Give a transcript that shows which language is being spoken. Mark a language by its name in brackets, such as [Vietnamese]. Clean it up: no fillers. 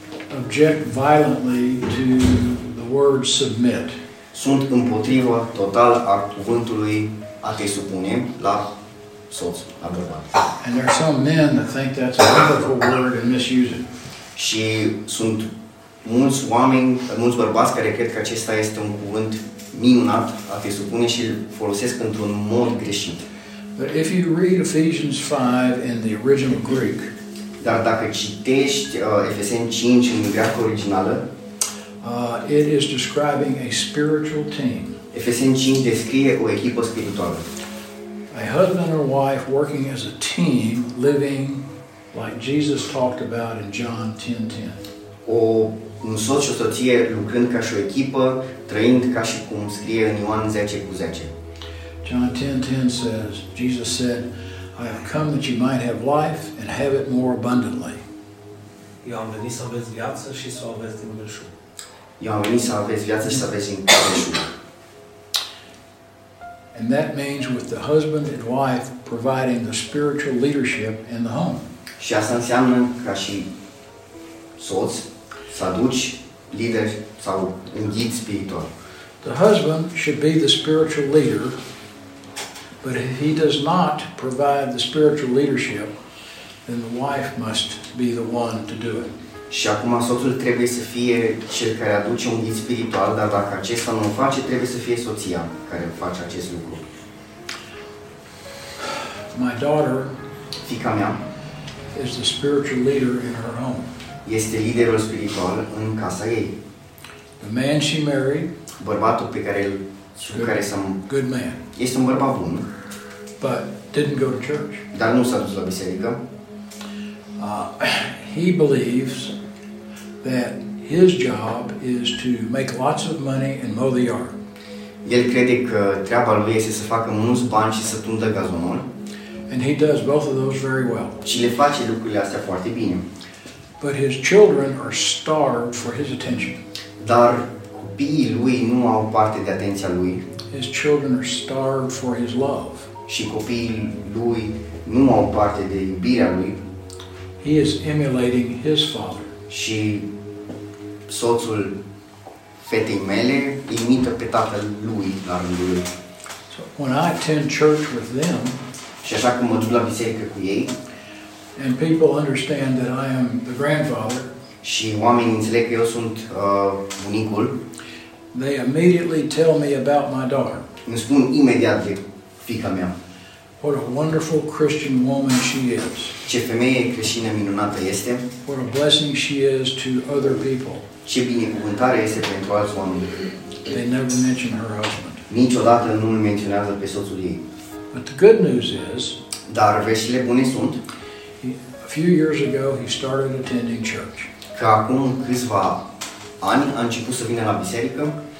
[English] Object violently to the word submit. [Romanian] Sunt împotrivă total a cuvântului a te supune la soț, la bărbat. [English] And there are some men that think that's a wonderful word and misuse it. [Romanian] Și sunt mulți oameni, mulți bărbați care cred că acesta este un cuvânt minunat a te supune și îl folosesc într-un mod greșit. [English] But if you read Ephesians 5 in the original Greek, [Romanian] dar dacă citești Efeseni 5 în greacă originală, [English] it is describing a spiritual team. [Romanian] Efeseni 5 descrie o echipă spirituală. [English] A husband or wife working as a team, living like Jesus talked about in John 10:10. [Romanian] O un soț și o soție lucrând ca și o echipă, trăind ca și cum scrie în Ioan 10:10. [English] John 10:10 says, Jesus said, I have come that you might have life and have it more abundantly. [Romanian] Eu am venit să aveți viață și să aveți din belșug. Eu am venit să aveți viață și să aveți din belșug. [English] And that means with the husband and wife providing the spiritual leadership in the home. [Romanian] Și asta înseamnă ca și soț să aduci lider sau un ghid spiritual. [English] The husband should be the spiritual leader. But if he does not provide the spiritual leadership, then the wife must be the one to do it. [Romanian] Și acum soțul trebuie să fie cel care aduce un ghid spiritual, dar dacă acesta nu o face, trebuie să fie soția care face acest lucru. [English] My daughter, [Romanian] fiica mea, [English] is the spiritual leader in her home. [Romanian] Este liderul spiritual în casa ei. [English] The man she married, [Romanian] bărbatul pe care îl [English] good man. [Romanian] Este un bărbat bun. [English] But didn't go to church. [Romanian] Dar nu s-a dus la biserică. [English] He believes that his job is to make lots of money and mow the yard. [Romanian] El crede că treaba lui este să facă mulți bani și să tundă gazonul. [English] And he does both of those very well. [Romanian] Și le face lucrurile astea foarte bine. [English] But his children are starved for his attention. [Romanian] Dar copiii lui nu au parte de atenția lui. [English] His children are starved for his love. [Romanian] Și copiii lui nu au parte de iubirea lui. [English] He is emulating his father. [Romanian] Și soțul fetei mele imită pe tatăl lui, la rândul lui. [English] So when I attend church with them, [Romanian] și așa cum mă duc la biserică cu ei, [English] and people understand that I am the grandfather, [Romanian] și oamenii înțeleg că eu sunt bunicul, [English] they immediately tell me about my daughter. [Romanian] Îmi spun imediat de fiica mea. [English] What a wonderful Christian woman she is. [Romanian] Ce femeie creștină minunată este. [English] What a blessing she is to other people. [Romanian] Ce binecuvântare este pentru alți oameni. [English] They never mention her husband. [Romanian] Niciodată nu îl menționează pe soțul ei. [English] But the good news is, [Romanian] dar veștile bune sunt, [English] a few years ago he started attending church. [Romanian] Că acum câțiva ani a început să vină la biserică.